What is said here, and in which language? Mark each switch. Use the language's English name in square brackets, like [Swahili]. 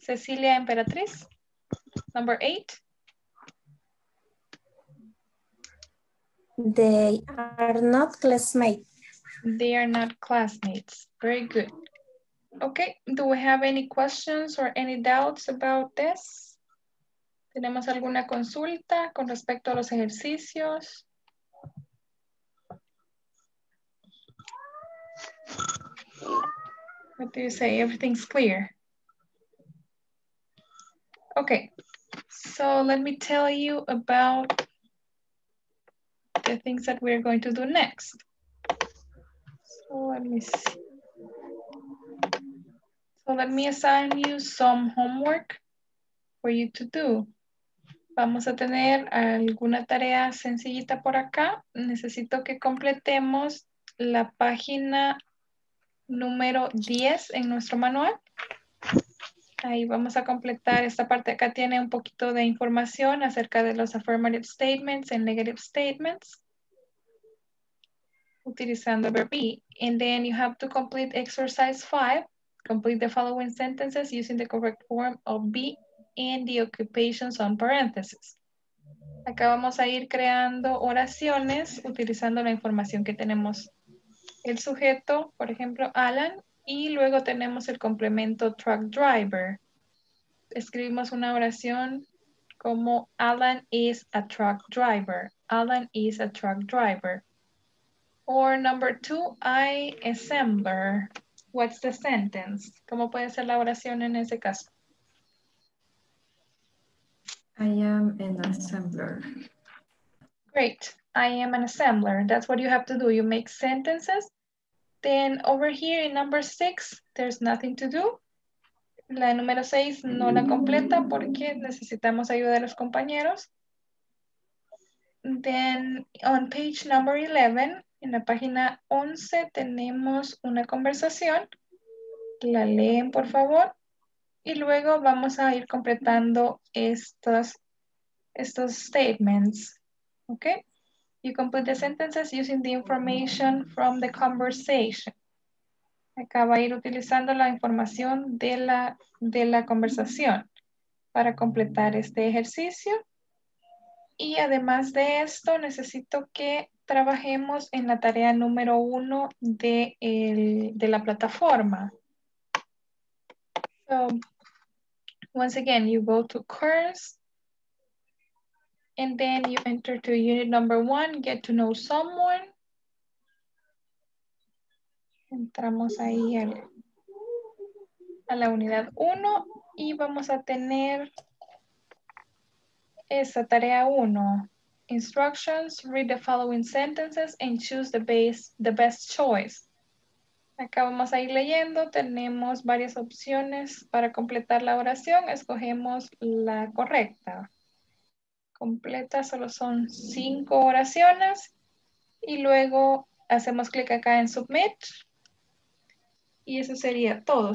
[English] Cecilia Emperatriz, number 8. They are not classmates. They are not classmates. Very good. Okay, do we have any questions or any doubts about this? [Spanish] ¿Tenemos alguna consulta con respecto a los ejercicios? [English] What do you say? Everything's clear. Okay, so let me tell you about the things that we're going to do next. So let me see. So let me assign you some homework for you to do. [Spanish] Vamos a tener alguna tarea sencillita por acá. Necesito que completemos la página número 10 en nuestro manual. Ahí vamos a completar esta parte. Acá tiene un poquito de información acerca de los [English] affirmative statements and negative statements. [Spanish] Utilizando [English] verb be. And then you have to complete exercise 5. Complete the following sentences using the correct form of be and the occupations on parentheses. [Spanish] Acá vamos a ir creando oraciones utilizando la información que tenemos. El sujeto, por ejemplo, Alan. Y luego tenemos el complemento truck driver. Escribimos una oración como [English] Alan is a truck driver. Alan is a truck driver. Or number 2, I assembler. What's the sentence? [Spanish] ¿Cómo puede ser la oración en ese caso? [English] I am an assembler. Great. I am an assembler. That's what you have to do. You make sentences. Then over here in number 6, there's nothing to do. [Spanish] La número 6 no la completa porque necesitamos ayuda de los compañeros. [English] Then on page number 11, [Spanish] en la página 11 tenemos una conversación. La leen, por favor. Y luego vamos a ir completando estos statements. ¿Ok? [English] You complete the sentences using the information from the conversation. [Spanish] Acá va a ir utilizando la información de la conversación para completar este ejercicio. Y además de esto, necesito que trabajemos en la tarea número 1 de la plataforma. [English] So, once again, you go to course. And then you enter to unit number 1, get to know someone. [Spanish] Entramos ahí a la unidad 1 y vamos a tener esa tarea 1. [English] Instructions, read the following sentences and choose the best choice. [Spanish] Acá vamos a ir leyendo, tenemos varias opciones para completar la oración, escogemos la correcta. Completa, solo son 5 oraciones y luego hacemos clic acá en submit y eso sería todo.